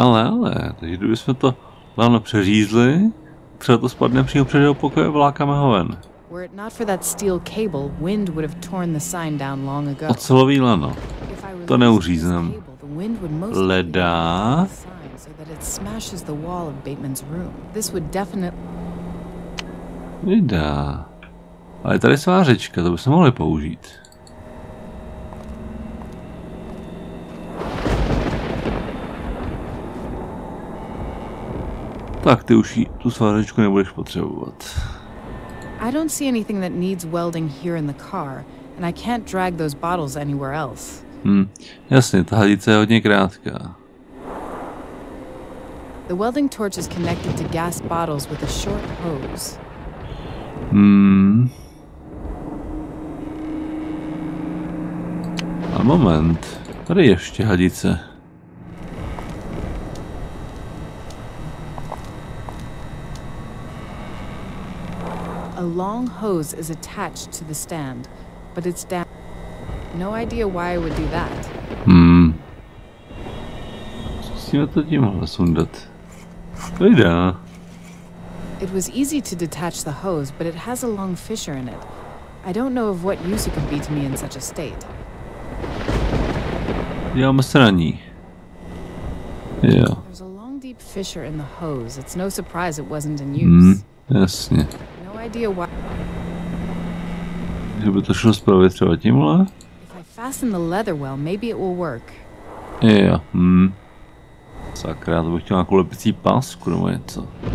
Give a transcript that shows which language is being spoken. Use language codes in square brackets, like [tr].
[cs] Ale, takže kdybychom to hlavně přeřízli, třeba to spadne přímo před jeho pokoje, vlákáme ho ven. [en] Were it not for that steel cable, wind would have torn the sign down long ago. [cs] Ocelový lano. To neuřízneme. Leda. [en] So that it smashes the wall of Bateman's room. This would definitely. [cs] Leda. Ale tady svářečka, to bychom mohli použít. Tak ty už tu svářečku nebudeš potřebovat. [en] I don't see anything that needs welding here in the car, and I can't drag those bottles anywhere else. [cs] Jasně, ta hadice je hodně krátká. [en] The welding torch is connected to gas bottles with a short hose. [cs] Moment, tady ještě hadice. [en] A long hose is attached to the stand, but it's down. No idea why I would do that. [cs] Zkusíme to tímhle sundat. To jde. [en] It was easy to detach the hose, but it has a long fissure in it. I don't know of what use it could be to me in such a state. [cs] Děláme se na ní. Jo. [en] There's a long deep fissure in the hose. It's no surprise it wasn't in use. [cs] Jasně. [en] No idea why. [cs] Kdyby to šlo spravit třeba tímhle? [en] If I fasten the leather well, maybe it will work. [cs] Jo. Sakra, to bych chtěl nějakou lepicí pásku nebo něco.